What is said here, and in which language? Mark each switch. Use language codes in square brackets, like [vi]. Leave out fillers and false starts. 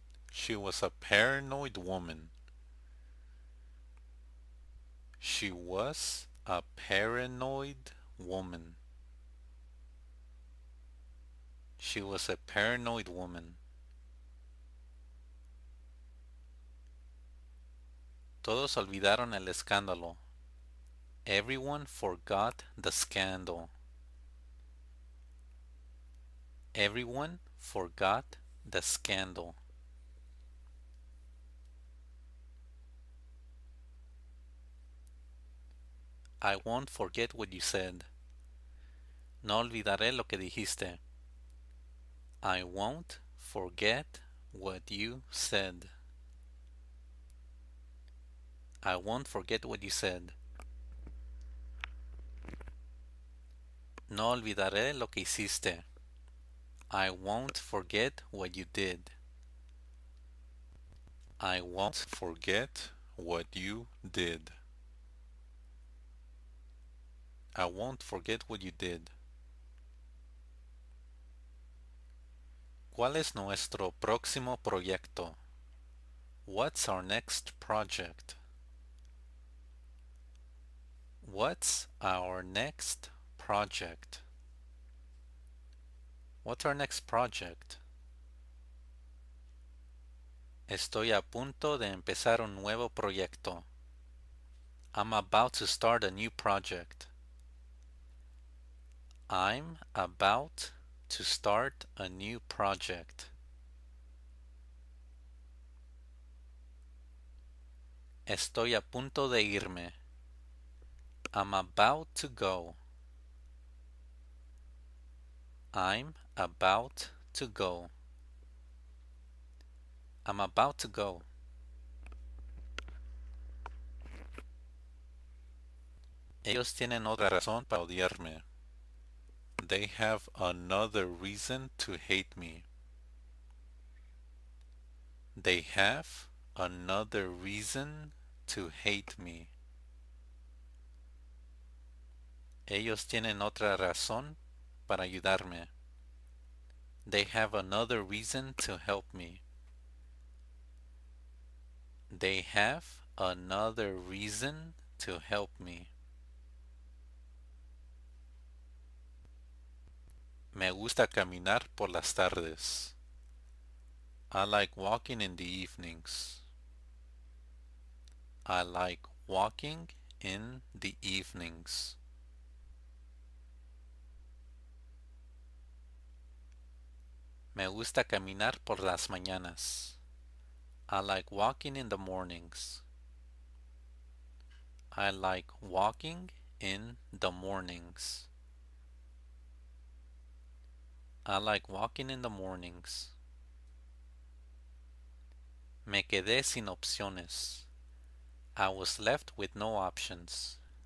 [en] She was a paranoid woman. She was a paranoid woman. She was a paranoid woman. [es] Todos olvidaron el escándalo. [en] Everyone forgot the scandal. Everyone forgot the scandal. I won't forget what you said. [es] No olvidaré lo que dijiste. [en] I won't forget what you said. I won't forget what you said. [es] No olvidaré lo que hiciste. [en] I won't forget what you did. I won't forget what you did. I won't forget what you did. [es] ¿Cuál es nuestro próximo proyecto? [en] What's our next project? What's our next project? What's our next project? [es] Estoy a punto de empezar un nuevo proyecto. [en] I'm about to start a new project. I'm about to start a new project. [es] Estoy a punto de irme. [en] I'm about to go. I'm about to go. I'm about to go. [es] Ellos tienen otra razón para odiarme. [en] They have another reason to hate me. They have another reason to hate me. [es] Ellos tienen otra razón para ayudarme. [en] They have another reason to help me. They have another reason to help me. [es] Me gusta caminar por las tardes. [en] I like walking in the evenings. I like walking in the evenings. [es] Me gusta caminar por las mañanas. [en] I like walking in the mornings. I like walking in the mornings. I like walking in the mornings. [es] Me quedé sin opciones. [en] I was left with no options.